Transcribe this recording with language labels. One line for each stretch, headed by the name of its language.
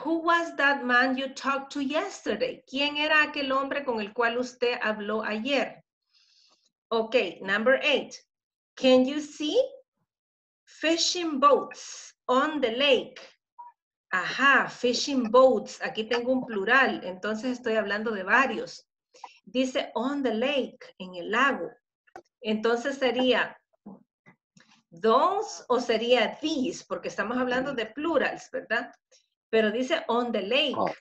English: Who was that man you talked to yesterday?
Spanish: ¿Quién era aquel hombre con el cual usted habló ayer?
English: Ok, number eight. Can you see fishing boats on the lake? Ajá, fishing boats.
Spanish: Aquí tengo un plural, entonces estoy hablando de varios. Dice
English: on the lake,
Spanish: en el lago. Entonces sería those o sería these, porque estamos hablando de plurals, ¿verdad? Pero dice
English: on the lake.